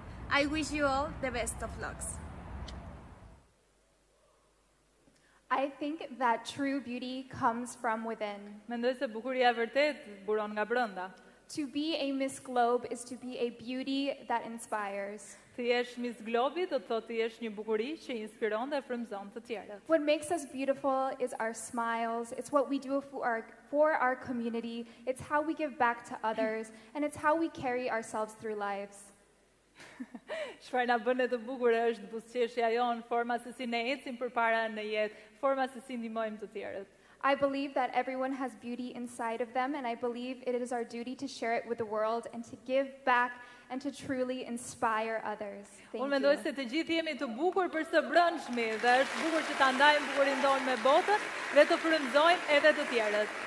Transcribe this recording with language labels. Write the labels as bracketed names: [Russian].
[English] I wish you all the best of luck. I think that true beauty comes from within. [Albanian] Mendoj se bukuria e vërtet buron nga brenda. [English] To be a Miss Globe is to be a beauty that inspires. [Albanian] Të jesh Miss Globi do të thotë të jesh një bukuri që inspiron dhe frymëzon të tjerët. [English] What makes us beautiful is our smiles. It's what we do for our community. It's how we give back to others and it's how we carry ourselves through lives. [Albanian] Çfarë na bën të bukur është buzëqeshja jonë, forma se si ne ecim përpara në jetë, forma se si ndihmojmë të tjerët. [English] I believe that everyone has beauty inside of them and I believe it is our duty to share it with the world and to give back and to truly inspire others. Thank you. [Albanian] Unë mendoj se të gjithë jemi të bukur për së brendshmi dhe është bukur që ta ndajmë bukurinë tonë me botën dhe të frymëzojmë edhe të tjerët.